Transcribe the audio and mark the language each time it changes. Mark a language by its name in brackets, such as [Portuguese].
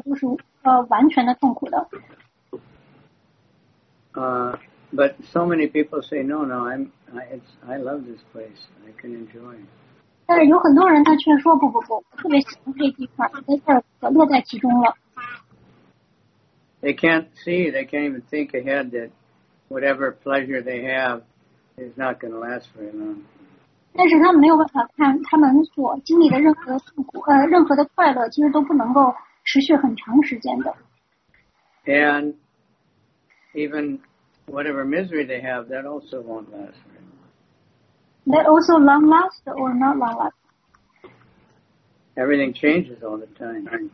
[Chinese] 这边就讲到了，对于每一个人来说都是完全的痛苦的。 [English] But so many people say, no, no, I love this place. I can enjoy it. [Chinese] 但是有很多人他却说不不不，特别喜欢这地方，在这儿乐在其中了。 [English] They can't see, they can't even think ahead that whatever pleasure they have is not going to last very long. [Chinese] 但是他们没有办法看他们所经历的任何痛苦，任何的快乐其实都不能够持续很长时间的。 [English] And even whatever misery they have, that also won't last very long. That also long last or not long last? Everything changes all the time.